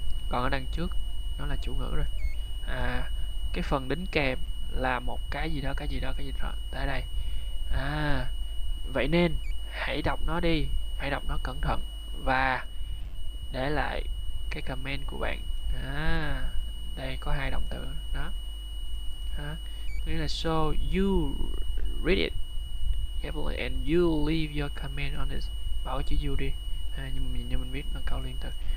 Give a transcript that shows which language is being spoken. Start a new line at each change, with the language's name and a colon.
Vietnamese: Còn ở đằng trước nó là chủ ngữ rồi. Cái phần đính kèm là một cái gì đó, cái gì đó, cái gì đó. Tại đây. Vậy nên hãy đọc nó đi, hãy đọc nó cẩn thận và để lại cái comment của bạn. Đây có hai động từ đó.
English: Nghĩa là so you read it carefully and you leave your comment on it.
Vietnamese: Bảo chữ you đi. À, nhưng mà như mình biết nó câu liên từ.